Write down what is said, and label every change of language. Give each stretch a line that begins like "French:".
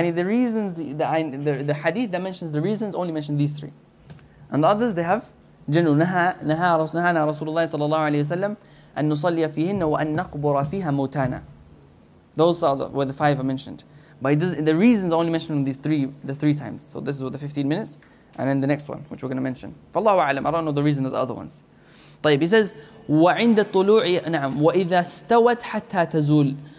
English: The reasons, the hadith that mentions the reasons only mention these three. And the others, they have general.
Arabic: نهانا رسول الله صلى الله عليه وسلم أن نصلي فيهن وأن نقبر فيها موتانا.
English: Those are were the five I mentioned. But the reasons only mention the three times. So this is with the 15 minutes. And then the next one, which we're going to mention.
Arabic: فالله أعلم.
English: I don't know the reason of the other ones.
Arabic: طيب,
English: he says,
Arabic: وعند طلوع نعم وإذا استوت حتى تزول.